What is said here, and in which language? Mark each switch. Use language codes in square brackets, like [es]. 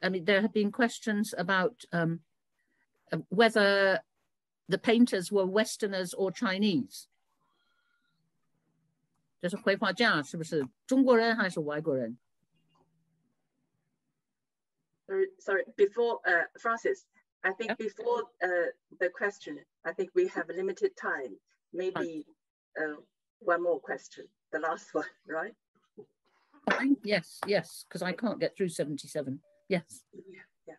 [en] I mean, there have been questions about whether the painters were Westerners or Chinese. [zh] 就是绘画家是不是中国人还是外国人？ [en] Francis, I think before the question, I think we have limited time. Maybe one more question, the last one, right? Yes, because I can't get through 77. Yes. Yeah.